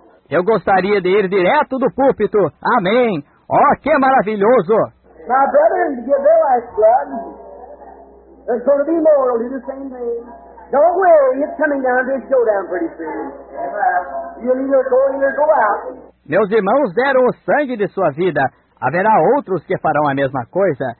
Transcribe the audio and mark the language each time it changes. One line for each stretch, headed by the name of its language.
Portuguese: Eu gostaria de ir direto do púlpito. Amém. Oh, que maravilhoso.
English: My brothers, give their life blood. There's going to be more. It'll do the same thing. Don't worry. It's coming down to a showdown pretty soon. You'll either go in or go out.
Portuguese: Meus irmãos deram o sangue de sua vida. Haverá outros que farão a mesma coisa.